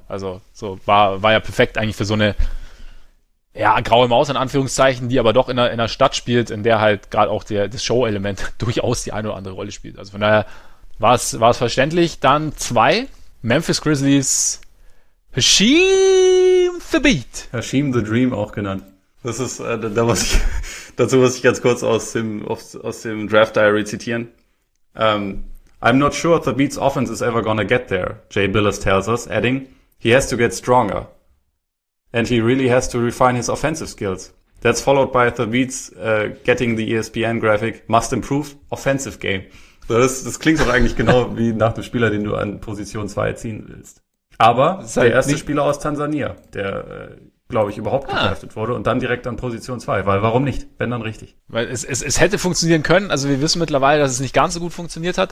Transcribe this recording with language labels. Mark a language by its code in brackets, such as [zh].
[de] Also so war ja perfekt eigentlich für so eine ja, graue Maus in Anführungszeichen, die aber doch in einer Stadt spielt, in der halt gerade auch das Show-Element durchaus die eine oder andere Rolle spielt. Also von daher war es verständlich. Dann zwei, Memphis Grizzlies, Hashim the Beat. Hashim the Dream auch genannt. Das ist, dazu muss ich ganz kurz aus dem Draft Diary zitieren. [en] I'm not sure the Beat's offense is ever gonna get there, Jay Billis tells us, adding, he has to get stronger. And he really has to refine his offensive skills. That's followed by the Beats getting the ESPN graphic, must improve offensive game. [de] Das klingt doch eigentlich genau wie nach dem Spieler, den du an Position 2 ziehen willst. Aber der erste Spieler aus Tansania, der, glaube ich, überhaupt gedraftet wurde und dann direkt an Position 2. Weil warum nicht? Wenn dann richtig. Weil es hätte funktionieren können. Also wir wissen mittlerweile, dass es nicht ganz so gut funktioniert hat.